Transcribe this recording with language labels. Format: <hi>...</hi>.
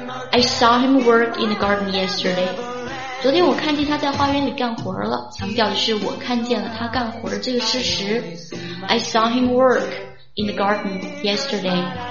<en>I saw him work in the garden yesterday.</en> <zh>昨天我看见他在花园里干活了，强调的是我看见了他干活这个事实。</zh> <en>I saw him work in the garden yesterday.</en>